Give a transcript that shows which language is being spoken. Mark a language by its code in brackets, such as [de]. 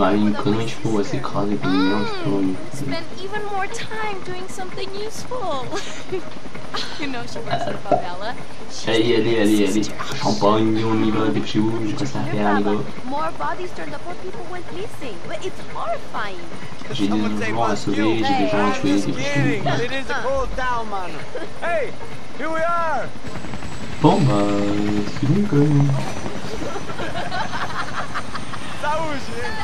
[fr] T'as même pas une connerie, je pense, c'est crazy. [en] Spend even more time doing something useful. You know she works with Pavela. [fr] Allez, champagne, on y va, dépêchez-vous, j'ai pas ça à faire, les gars. [en] More bodies turned up, more people went missing. It's horrifying. [fr] J'ai des gens à sauver, j'ai des gens à tuer, dépêchez-vous. [en] It is a cold town, man. Hey, here we are. [fr] Bon, bah, c'est bon, quand même. Ça va, j'ai...